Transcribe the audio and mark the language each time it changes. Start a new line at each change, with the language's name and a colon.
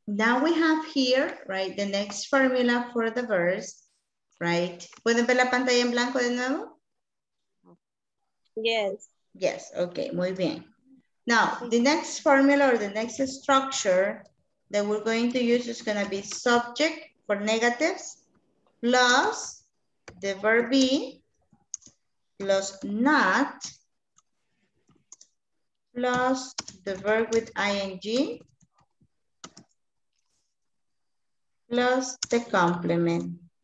English: Now we have here, right, the next formula for the verbs, right?
Spanish: ¿Pueden ver la pantalla en blanco de nuevo?
English: Yes. Yes, okay,
Spanish: muy bien.
English: Now, the next formula or the next structure that we're going to use is going to be subject for negatives plus the verb be plus not plus the verb with ing plus the complement.